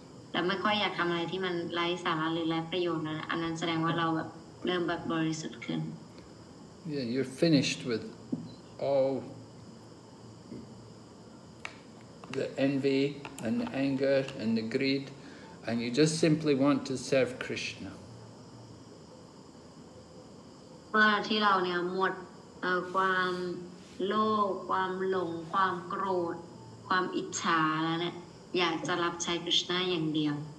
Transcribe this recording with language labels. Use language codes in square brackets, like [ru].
[th] แต่ไม่ค่อยอยากทำอะไรที่มันไร้สาระหรือไร้ประโยชน์นั้นอันนั้นแสดงว่าเราแบบเริ่มแบบบริสุทธิ์ขึ้น [en] Yeah, you're finished with all the envy and the anger and the greed, and you just simply want to serve Krishna. [th] เมื่อที่เราเนี่ยหมดความโลภความหลงความโกรธความอิจฉาแล้วเนี่ยอยากจะรับใช้คริสต์อย่างเดียว